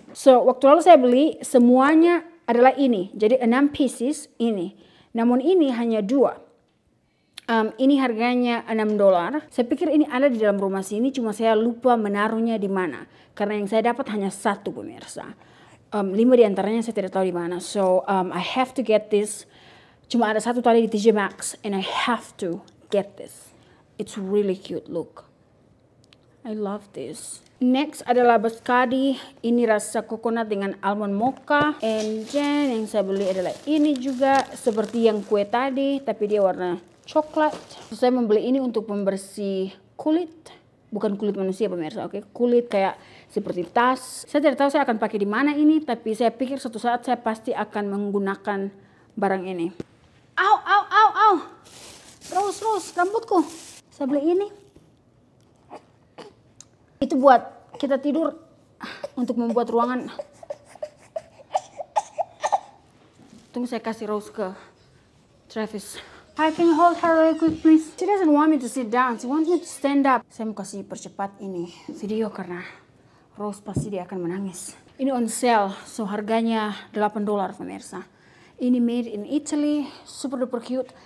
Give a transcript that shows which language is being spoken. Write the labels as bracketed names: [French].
[Indonesian] So, waktu lalu saya beli, semuanya adalah ini. Jadi, 6 pieces ini. Namun ini hanya 2. Ini harganya $6. Saya pikir ini ada di dalam rumah sini, cuma saya lupa menaruhnya di mana. Karena yang saya dapat hanya 1, pemirsa. 5 di antaranya saya tidak tahu di mana. [English] So, I have to get this. [Indonesian] Cuma ada 1 tali di [English] TJ Maxx, and I have to get this. It's really cute look. I love this. [Indonesian] Next adalah biscotti. Ini rasa coconut dengan almond mocha. [English] And then [Indonesian] yang saya beli adalah ini juga. Seperti yang kue tadi. Tapi dia warna coklat. So, saya membeli ini untuk membersih kulit. Bukan kulit manusia, pemirsa. Okay? Kulit kayak seperti tas. Saya tidak tahu saya akan pakai di mana ini. Tapi saya pikir suatu saat saya pasti akan menggunakan barang ini. Au. Rose, rambutku. Saya beli ini. Itu buat kita tidur untuk membuat ruangan. Tunggu saya kasih Rose ke Travis. [English] I can hold her really quick, please. She doesn't want me to sit down. She wants me to stand up. [Indonesian] Saya mau kasih percepat ini video karena Rose pasti dia akan menangis. Ini [English] on sale, so [Indonesian] harganya $8, pemirsa. Ini [English] made in Italy, super duper cute.